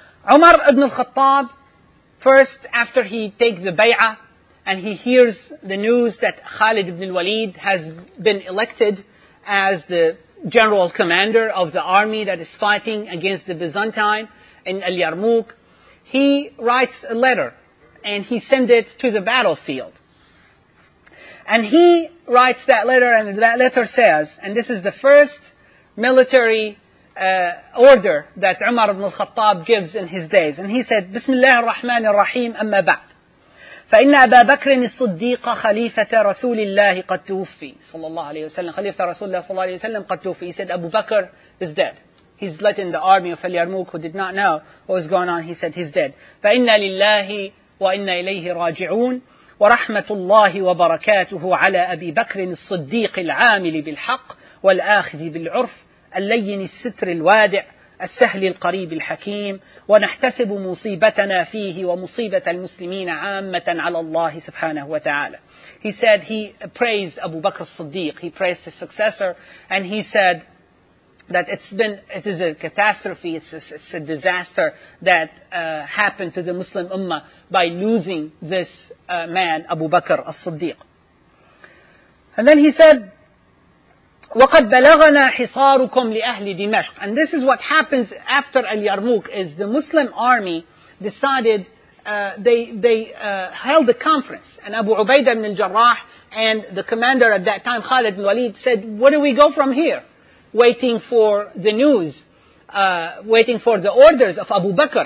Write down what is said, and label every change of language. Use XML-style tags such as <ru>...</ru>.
<en>Umar ibn al-Khattab, first after he takes the bay'ah, and he hears the news that Khalid ibn al-Walid has been elected as the general commander of the army that is fighting against the Byzantine in Al-Yarmouk, he writes a letter and he sends it to the battlefield. And he writes that letter, and that letter says, and this is the first military order that Umar ibn al-Khattab gives in his days. And he said, Bismillah ar-Rahman ar-Rahim, amma ba'd.</en> <ar>فإن أبا بكر الصديق خليفة رسول الله قد توفي صلى الله عليه وسلم خليفة رسول الله صلى الله عليه وسلم قد توفي.</ar> <en>He said Abu Bakr is dead. He's let in the army of Al-Yarmouk who did not know what was going on. He said he's dead.</en> <ar>فإن لله وإن إليه راجعون ورحمة الله وبركاته على أبي بكر الصديق العامل بالحق والآخذ بالعرف اللين الستر الوادع السهل القريب الحكيم ونحتسب مصيبتنا فيه ومصيبة المسلمين عامة على الله سبحانه وتعالى.</ar> <en>He said he praised Abu Bakr al-Siddiq. He praised his successor, and he said that it is a catastrophe. It's a disaster that happened to the Muslim Ummah by losing this man, Abu Bakr al-Siddiq. And then he said,</en> <ar>وَقَدْ بَلَغَنَا حِصَارُكُمْ لِأَهْلِ دِمَشْقِ.</ar> <en>And this is what happens after Al-Yarmouk, is the Muslim army decided, held a conference. And Abu Ubaidah ibn al-Jarrah and the commander at that time, Khalid ibn Walid, said, where do we go from here? Waiting for the news, waiting for the orders of Abu Bakr.</en>